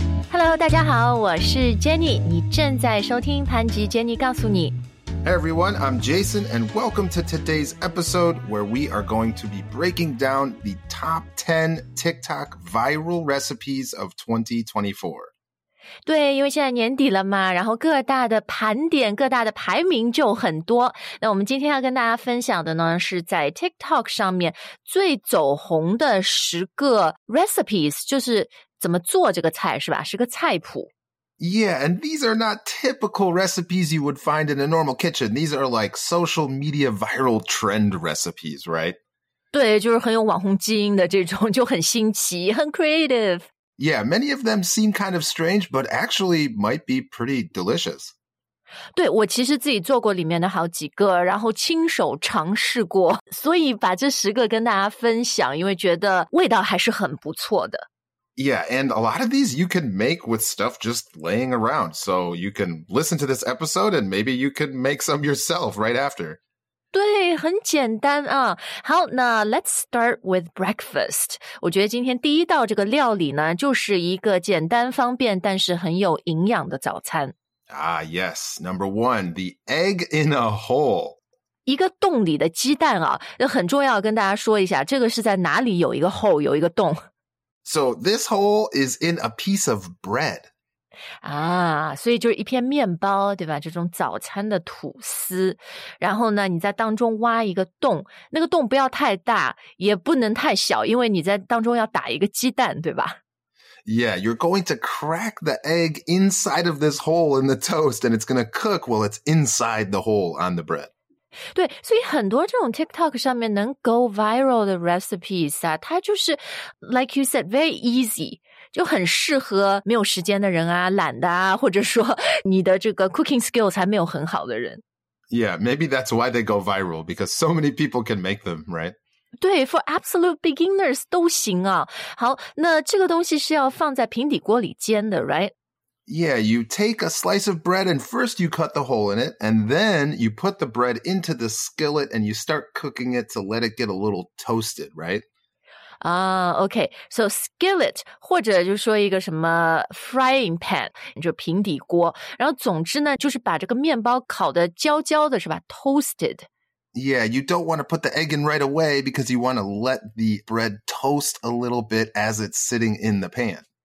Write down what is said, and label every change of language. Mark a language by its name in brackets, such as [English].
[English] Hello， [Chinese] 大家好，我是 Jenny， 你正在收听潘吉 Jenny 告诉你。 [English] Hey everyone, I'm Jason, and welcome to today's episode where we are going to be breaking down the top 10 TikTok viral recipes of 2024. [Chinese] 对，因为现在年底了嘛，然后各大的盘点、各大的排名就很多。那我们今天要跟大家分享的呢，是在 TikTok 上面最走红的十个 [English] recipes， [Chinese] 就是怎么做这个菜，是吧？是个菜谱。 [English] Yeah, and these are not typical recipes you would find in a normal kitchen. These are like social media viral trend recipes, right? [Chinese] 对，就是很有网红基因的这种，就很新奇，很 [English] creative. Yeah, many of them seem kind of strange, but actually might be pretty delicious. [Chinese] 对，我其实自己做过里面的好几个，然后亲手尝试过，所以把这十个跟大家分享，因为觉得味道还是很不错的。 [English] Yeah, and a lot of these you can make with stuff just laying around. So you can listen to this episode and maybe you can make some yourself right after. [Chinese] 对，很简单啊。好，那 [English] let's start with breakfast. [Chinese] 我觉得今天第一道这个料理呢，就是一个简单方便但是很有营养的早餐。 [English] Ah, yes. Number one, the egg in a hole. [Chinese] 一个洞里的鸡蛋啊，很重要跟大家说一下，这个是在哪里有一个 [English] hole， [Chinese] 有一个洞。 [English] So this hole is in a piece of bread. [Chinese] Ah, 所以就是一片面包，对吧？这种早餐的吐司。然后呢，你在当中挖一个洞，那个洞不要太大，也不能太小，因为你在当中要打一个鸡蛋，对吧？ [English] Yeah, you're going to crack the egg inside of this hole in the toast, and it's going to cook while it's inside the hole on the bread. [Chinese] 对，所以很多这种 TikTok 上面能 [English] go viral [Chinese] 的 [English] recipes [Chinese] 啊，它就是 [English] like you said very easy， [Chinese] 就很适合没有时间的人啊，懒的啊，或者说你的这个 [English] cooking skills [Chinese] 还没有很好的人。 [English] Yeah, maybe that's why they go viral because so many people can make them, right? [Chinese] 对 ， [English] for absolute beginners [Chinese] 都行啊。好，那这个东西是要放在平底锅里煎的 ， [English] right？ Yeah, you take a slice of bread and first you cut the hole in it and then you put the bread into the skillet and you start cooking it to let it get a little toasted, right? Okay. So skillet, [Chinese] 或者就说一个什么 [English] frying pan, [Chinese] 就平底锅。然后总之呢，就是把这个面包烤得焦焦的是吧 , [English] toasted. Yeah, you don't want to put the egg in right away because you want to let the bread toast a little bit as it's sitting in the pan.